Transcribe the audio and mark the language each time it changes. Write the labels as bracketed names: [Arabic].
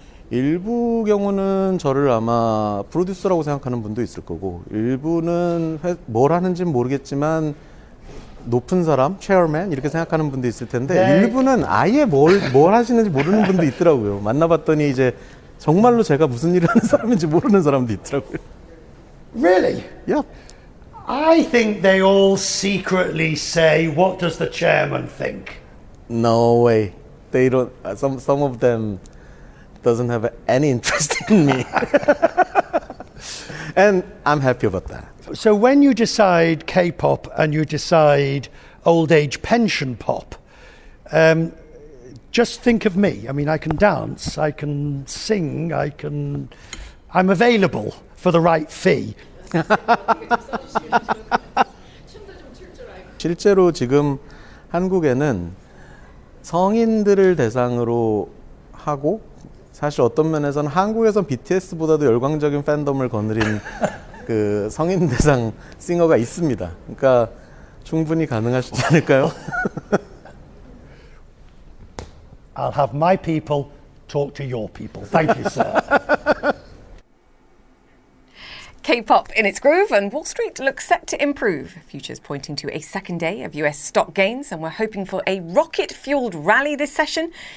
[Korean] 일부 경우는 저를 아마 프로듀서라고 생각하는 분도 있을 거고 일부는 뭘 하는지는 모르겠지만 높은 사람, 체어맨 이렇게 생각하는 분도 있을 텐데 일부는 아예 뭘 하시는지 모르는 분도 있더라고요. 만나봤더니 이제 정말로 제가 무슨 일을 하는 사람인지 모르는 사람도 있더라고요. [English] Really? Yep. I think they all secretly say, "What does the chairman think?" No way. They don't. Some of them doesn't have any interest in me. And I'm happy about that. So when you decide K-pop and you decide old age pension pop, just think of me. I mean, I can dance, I can sing, I'm available for the right fee. [Korean] 실제로 지금 한국에는 성인들을 대상으로 하고 사실 어떤 면에서는 한국에선 BTS보다도 열광적인 팬덤을 거느린 그 성인 대상 싱어가 있습니다. 그러니까 충분히 가능하시지 않을까요? [English] I'll have my people talk to your people. Thank you, sir. K-pop in its groove and Wall Street looks set to improve. Futures pointing to a second day of US stock gains and we're hoping for a rocket-fueled rally this session.